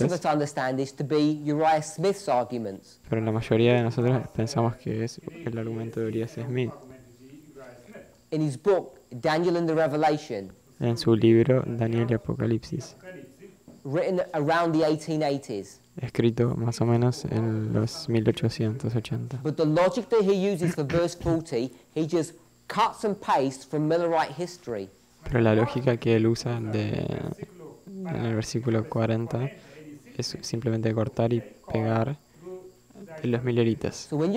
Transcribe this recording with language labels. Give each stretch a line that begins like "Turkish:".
English: Most of us understand this to be Uriah Smith's arguments.
Spanish: Pero la mayoría de nosotros pensamos que es el argumento de Uriah Smith.
English: In his book Daniel and the Revelation.
Spanish: En su libro Daniel y Apocalipsis.
English: Written around the 1880s.
Spanish: Escrito más o menos en los 1880.
English: But the logic that he uses for verse 40, he just cuts and pastes from Millerite history.
Spanish: Pero la lógica que él usa en el versículo 40 es simplemente cortar y pegar en los Milleritas.